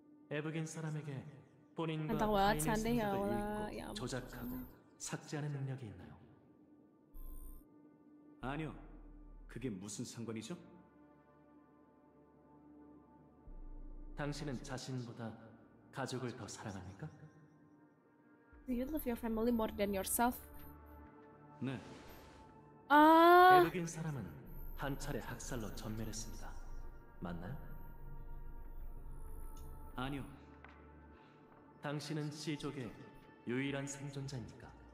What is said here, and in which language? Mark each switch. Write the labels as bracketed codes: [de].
[ko] 에브겐 사람에게 본인과 타인의 신분을 읽고 조작하고 삭제하는 능력이 있나요? 아니요. 그게 무슨 상관이죠? 당신은 자신보다 가족을 더 사랑합니까? [en] Do you love your family more than yourself? [ko] 네. 아. 에브겐 사람은 한 차례 학살로 전멸했습니다. 맞나요? 아니요. 당신은 씨족의 유일한 생존자입니까?